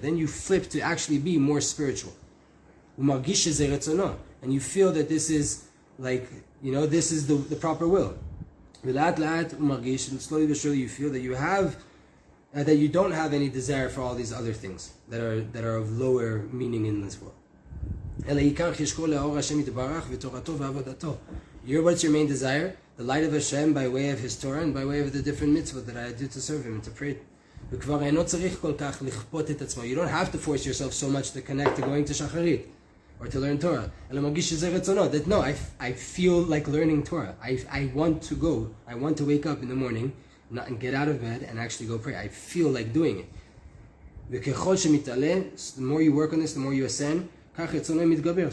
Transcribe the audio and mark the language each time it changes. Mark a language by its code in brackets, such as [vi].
[en] Then you flip to actually be more spiritual. [he] הוא מרגיש שזה רצונו. [en] And you feel that this is like, you know, this is the proper will. [he] ולאט לאט הוא מרגיש, [en] and slowly but surely you feel that you have, that you don't have any desire for all these other things that are of lower meaning in this world. [he] אלא עיקר חשקו לאור השם יתברך ותורתו ועבודתו. [en] You're what's your main desire? The light of Hashem by way of His Torah and by way of the different mitzvot that I do to serve Him and to pray. [he] וכבר אינו צריך כל כך לכפות את עצמו. [en] You don't have to force yourself so much to connect to going to שחרית or to learn Torah. [he] אלא מרגיש שזה רצונו. [en] That no, I feel like learning Torah. I want to go. I want to wake up in the morning and get out of bed and actually go pray. I feel like doing it. [he] וככל שמתעלה, [en] the more you work on this, the more you ascend, [he] כך רצונו מתגבר.